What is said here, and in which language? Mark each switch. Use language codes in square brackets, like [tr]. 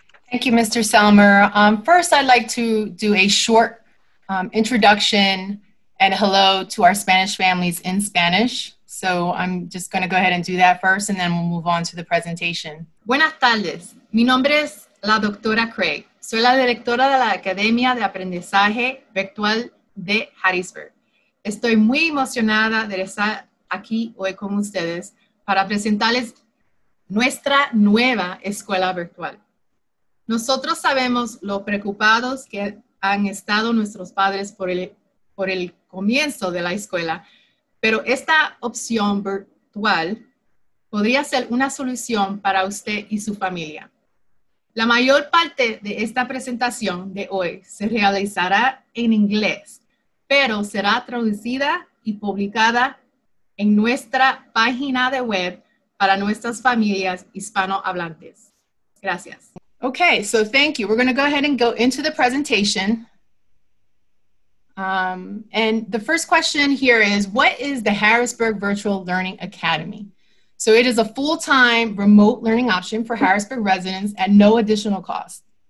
[en] Thank you, Mr. Selmer. First, I'd like to do a short introduction and hello to our Spanish families in Spanish. So I'm just going to go ahead and do that first, and then we'll move on to the presentation. [es] Buenas tardes. Mi nombre es la doctora Craig. Soy la directora de la Academia de Aprendizaje Virtual de Harrisburg. Estoy muy emocionada de estar aquí hoy con ustedes para presentarles nuestra nueva escuela virtual. Nosotros sabemos lo preocupados que han estado nuestros padres por el comienzo de la escuela, pero esta opción virtual podría ser una solución para usted y su familia. La mayor parte de esta presentación de hoy se realizará en inglés, pero será traducida y publicada en nuestra página de web para nuestras familias hispanohablantes. Gracias. [en] Okay, so thank you. We're going to go ahead and go into the presentation. And the first question here is, what is the Harrisburg Virtual Learning Academy? So it is a full-time remote learning option for Harrisburg residents at no additional cost.